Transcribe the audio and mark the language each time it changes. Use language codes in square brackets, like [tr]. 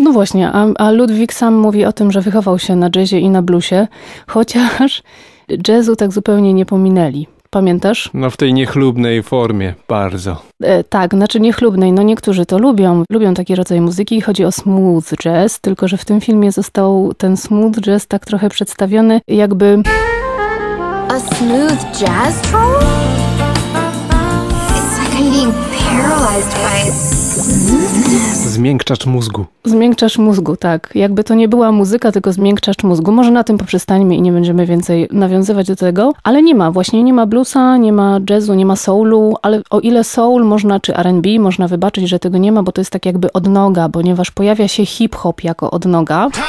[pl] No właśnie, a Ludwig sam mówi o tym, że wychował się na jazzie i na bluesie, chociaż jazzu tak zupełnie nie pominęli. Pamiętasz? No w tej niechlubnej formie, bardzo. Tak, znaczy niechlubnej, no niektórzy to lubią. Lubią taki rodzaj muzyki, chodzi o smooth jazz, tylko że w tym filmie został ten smooth jazz tak trochę przedstawiony, jakby... A smooth jazz troll? [en] It's like I'm being paralyzed by... [pl] Zmiękczacz mózgu. Zmiękczacz mózgu, tak. Jakby to nie była muzyka, tylko zmiękczacz mózgu. Może na tym poprzestańmy i nie będziemy więcej nawiązywać do tego. Ale nie ma. Właśnie nie ma bluesa, nie ma jazzu, nie ma soulu. Ale o ile soul można, czy R&B można wybaczyć, że tego nie ma, bo to jest tak jakby odnoga, ponieważ pojawia się hip-hop jako odnoga.